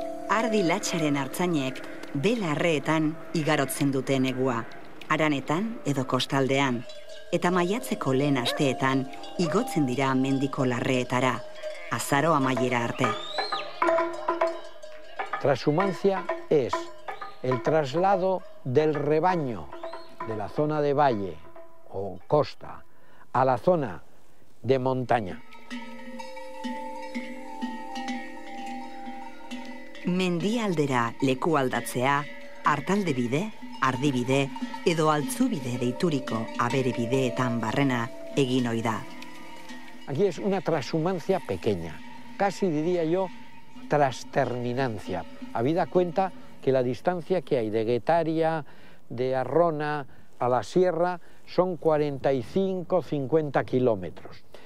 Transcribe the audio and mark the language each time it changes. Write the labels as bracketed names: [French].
[Basque] Ardi latxaren artzainek belarreetan igarotzen dute negua, haranetan edo kostaldean, eta maiatzeko lehen asteetan igotzen dira mendiko larreetara, azaro amaiera arte. [Spanish] Trashumancia es el traslado del rebaño de la zona de valle o costa a la zona de montaña. [Basque] Mendi aldera leku aldatzea, artalde bide, ardi bide edo altzu bide deituriko abere bideetan barrena egin ohi da. [Spanish] Aquí es una trashumancia pequeña, casi diría yo trasterminancia. Habida cuenta que la distancia que hay de Guetaria, de Arrona a la sierra son 45-50 kilómetros.